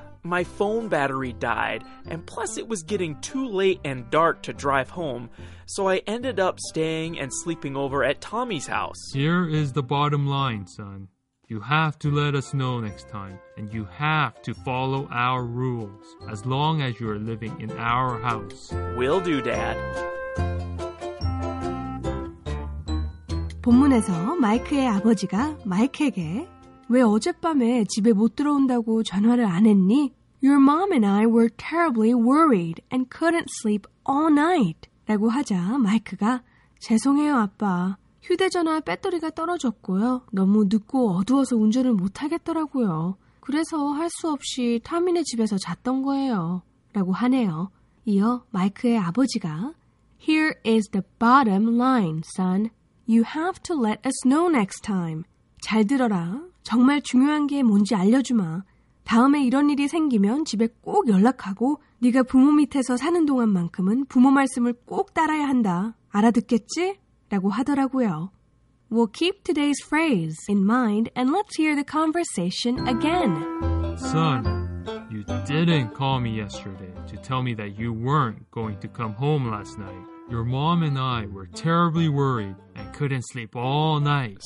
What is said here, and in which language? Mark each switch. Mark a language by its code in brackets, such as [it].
[en] My phone battery died, and plus it was getting too late and dark to drive home, so I ended up staying and sleeping over at Tommy's house. Here is the bottom line, son. You have to let us know next time, and you have to follow our rules, as long as you are living in our house. Will do, Dad. [ko] 본문에서 마이크의 아버지가 마이크에게 왜 어젯밤에 집에 못 들어온다고 전화를 안 했니? [en] Your mom and I were terribly worried and couldn't sleep all night. [ko] 라고 하자 마이크가 죄송해요 아빠. 휴대전화 배터리가 떨어졌고요. 너무 늦고 어두워서 운전을 못 하겠더라고요. 그래서 할 수 없이 타미네 집에서 잤던 거예요. 라고 하네요. 이어 마이크의 아버지가 [en] Here is the bottom line, son. You have to let us know next time. [ko] 잘 들어라. 정말 중요한 게 뭔지 알려주마. 다음에 이런 일이 생기면 집에 꼭 연락하고 네가 부모 밑에서 사는 동안만큼은 부모 말씀을 꼭 따라야 한다. 알아듣겠지? 라고 하더라고요. [en] We'll keep today's phrase in mind and let's hear the conversation again. Son, you didn't call me yesterday to tell me that you weren't going to come home last night. Your mom and I were terribly worried and couldn't sleep all night.